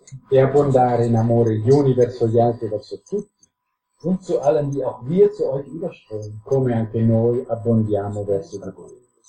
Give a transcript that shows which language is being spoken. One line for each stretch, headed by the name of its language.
Italian: E abbondare in amore gli uni verso gli altri, verso tutti,
German: und zu allen, die auch wir zu euch überströmen,
Italian: come anche noi abbondiamo verso di voi.